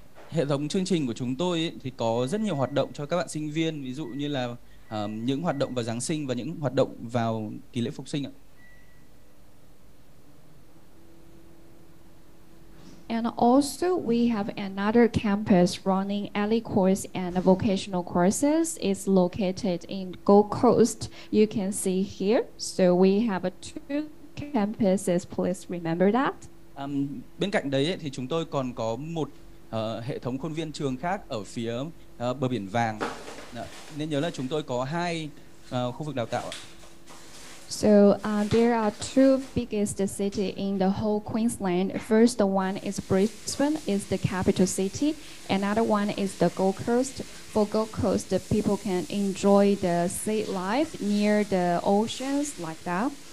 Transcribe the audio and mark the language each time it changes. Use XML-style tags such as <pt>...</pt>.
<vi>Hệ thống chương trình của chúng tôi thì có rất nhiều hoạt động cho các bạn sinh viên, ví dụ như là những hoạt động vào Giáng sinh và những hoạt động vào kỳ lễ Phục sinh ạ.</vi> <en>And also we have another campus running ELLI course and vocational courses. It's located in Gold Coast. You can see here. So we have two campuses. Please remember that.</en> <vi>Bên cạnh đấy thì chúng tôi còn có một hệ thống khuôn viên trường khác ở phía bờ biển vàng. Nên nhớ là chúng tôi có hai khu vực đào tạo.</vi> <en>So there are two biggest city in the whole Queensland. First one is Brisbane, is the capital city. Another one is the Gold Coast. For Gold Coast, the people can enjoy the sea life near the oceans like that.</en>